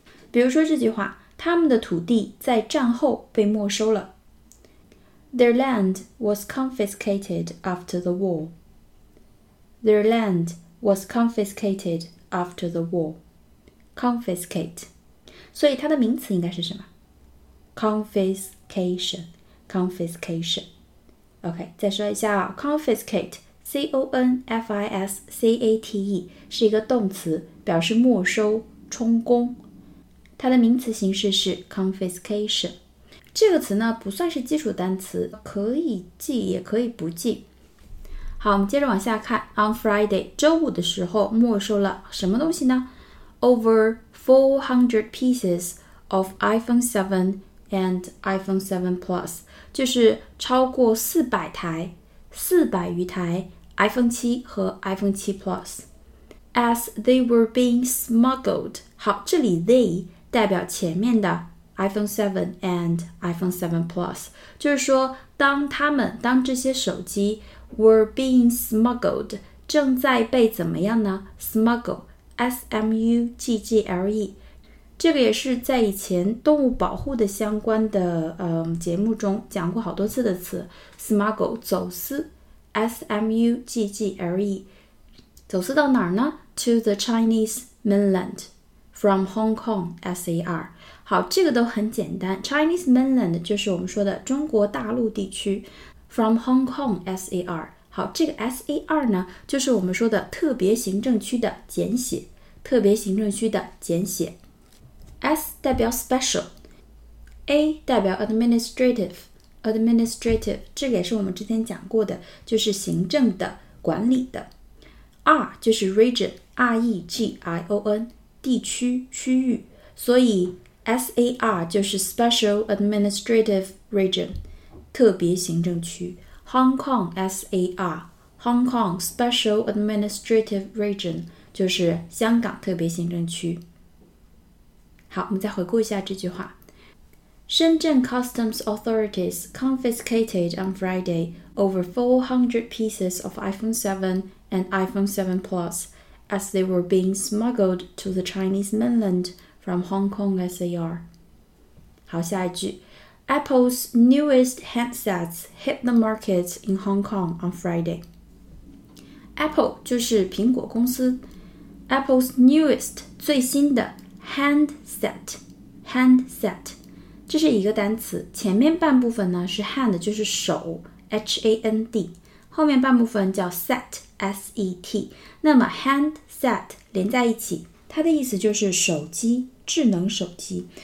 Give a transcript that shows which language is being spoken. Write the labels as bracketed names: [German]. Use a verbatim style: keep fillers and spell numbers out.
[Chinese] 比如说这句话，他们的土地在战后被没收了。 [English] Their land was confiscated after the war。 Their land was confiscated after the war. Confiscate. [Chinese] 所以它的名词应该是什么？ [English] Confiscation. Confiscation. [Chinese] OK， 再说一下啊， confiscate C O N F I S C A T E 是一个动词，表示没收、充公。它的名词形式是 confiscation。这个词呢，不算是基础单词，可以记也可以不记。好，我们接着往下看。 On Friday 周五的时候没收了什么东西呢？ [English] Over four hundred pieces of iPhone seven and iPhone seven Plus，就是超过四百台，四百余台 iPhone 七和 iPhone 七 Plus as they were being smuggled。 [Chinese] 好，这里 they 代表前面的 iPhone seven and iPhone seven Plus，就是说当他们当这些手机 were being smuggled，正在被怎么样呢？ smuggle S M U G G L E， 这个也是在以前动物保护的相关的、呃、节目中讲过好多次的词， smuggle 走私 S M U G G L E， 走私到哪儿呢？ [English] to the Chinese mainland from Hong Kong S A R。 [Chinese] 好，这个都很简单， Chinese mainland 就是我们说的中国大陆地区， From Hong Kong S A R。好，这个 S A R 呢，就是我们说的特别行政区的简写，特别行政区的简写。 S 代表 special， A 代表 administrative， administrative 这个也是我们之前讲过的，就是行政的，管理的。 R 就是 region R E G I O N， 地区，区域，所以 S A R 就是 special administrative region，特别行政区。 Hong Kong S A R Hong Kong Special Administrative Region 就是香港特别行政区。好，我们再回顾一下这句话。 [English] Shenzhen customs authorities confiscated on Friday over four hundred pieces of iPhone seven and iPhone seven Plus as they were being smuggled to the Chinese mainland from Hong Kong S A R. 好，下一句 Apple's newest handsets hit the market in Hong Kong on Friday. [Chinese] Apple 就是苹果公司 Apple's newest 最新的 handset handset 这是一个单词，前面半部分呢是 hand 就是手 H A N D， 后面半部分叫 set S E T， 那么 handset 连在一起，它的意思就是手机，智能手机。